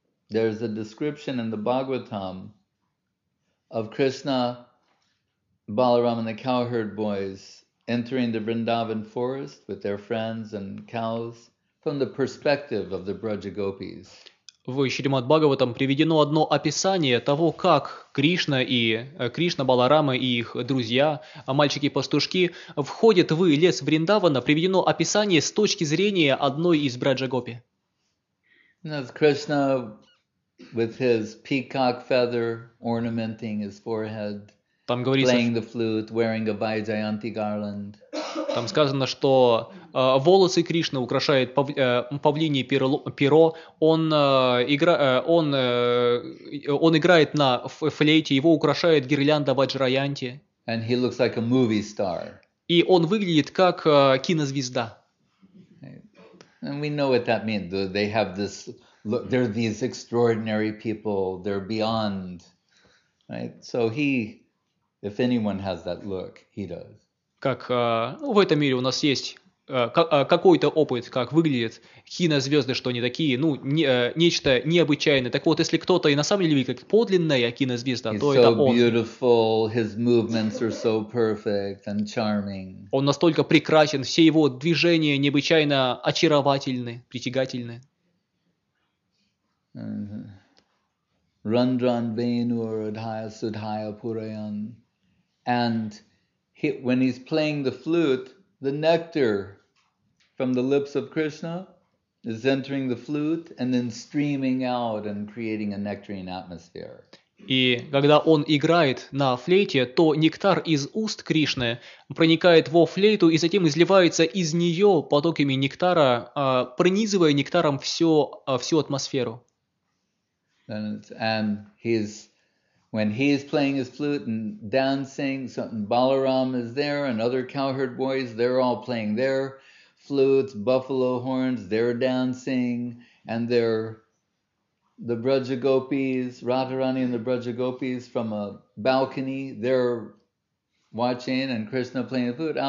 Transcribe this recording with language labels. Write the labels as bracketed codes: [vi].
[en] There's a description in the Bhagavatam of Krishna, Balaram, and the cowherd boys entering the Vrindavan forest with their friends and cows from the perspective of the Brajagopis. [ru] В Шримад Бхагаватам приведено одно описание того, как Кришна, Баларама и их друзья, мальчики-пастушки, входят в лес Вриндавана, приведено описание с точки зрения одной из Браджа-гопи. [en] That's Krishna with his peacock feather ornamenting his forehead. [ru] Там говорится, [en] playing the flute, wearing a Vaijayanti garland. [ru] Там сказано, что волосы Кришны украшает павлинье перо, он играет на флейте, его украшает гирлянда Vajrayanti. [en] And he looks like a movie star. [ru] И он выглядит как кинозвезда. [en] And we know what that means. They have this, they're these extraordinary people, they're beyond. Right? So he, if anyone has that look, he does. [ru] Как в этом мире у нас есть какой-то опыт, как выглядят кинозвезды, что они такие, ну, нечто необычайное. Так вот, если кто-то и на самом деле видит как подлинная кинозвезда, [en] he's [ru] то [en] so [ru] это он. [en] Beautiful. His movements are so perfect and charming. [ru] Он настолько прекрасен, все его движения необычайно очаровательны, притягательны. [sa] Рандран Венур Адхая Судхая Пураян. [en] And he, when he's playing the flute, the nectar from the lips of Krishna is entering the flute and then streaming out and creating a nectarine atmosphere. [ru] И когда он играет на флейте, то нектар из уст Кришны проникает во флейту и затем изливается из нее потоками нектара, пронизывая нектаром всю атмосферу. [en] And he's when he is playing his flute and dancing, so Balaram is there and other cowherd boys, they're all playing their flutes, buffalo horns, they're dancing, and they're the Brajagopis, Radharani and the Brajagopis from a balcony, they're watching and Krishna playing the flute.